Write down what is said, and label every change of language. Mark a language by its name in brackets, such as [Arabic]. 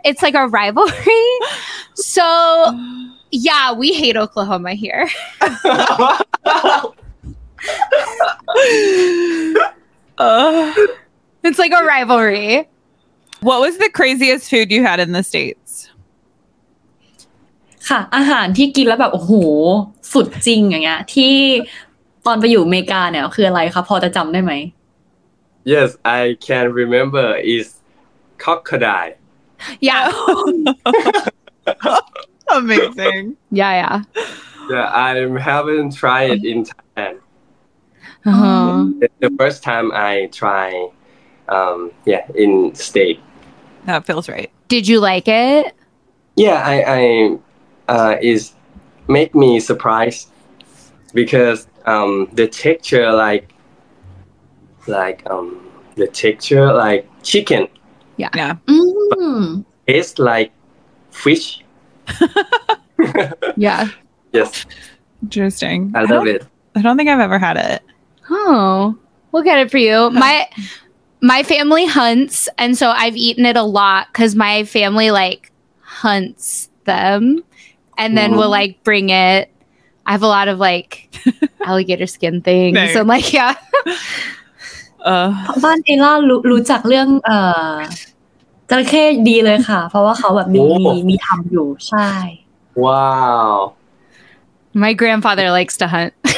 [English] It's like a rivalry. So yeah, we hate Oklahoma here. it's like a rivalry. What was the craziest food you had in the States? [Thai] ค่ะอาหารที่กินแล้วแบบโอ้โหสุดจริงอย่างเงี้ยที่ตอนไปอยู่อเมริกาเนี่ยคืออะไรคะพอจะจำได้ไหม [English] Yes, I can remember is crocodile. Yeah. Amazing. Yeah, yeah. Yeah, I haven't tried it in Thailand. The first time I try in state. That feels right. Did you like it? Yeah, it make me surprised because the texture like chicken. Yeah. Yeah. It's like fish. Yeah. Yes. Interesting. I love it. I don't think I've ever had it. Oh, we'll get it for you. My family hunts, and so I've eaten it a lot because my family like hunts them, and then we'll like bring it. I have a lot of like alligator skin things, and so, like yeah. [Thai] บ้านเอล่ารู้จักเรื่องจระเข้ดีเลยค่ะเพราะว่าเขาแบบมีทำอยู่ใช่ [English] Wow. My grandfather likes to hunt.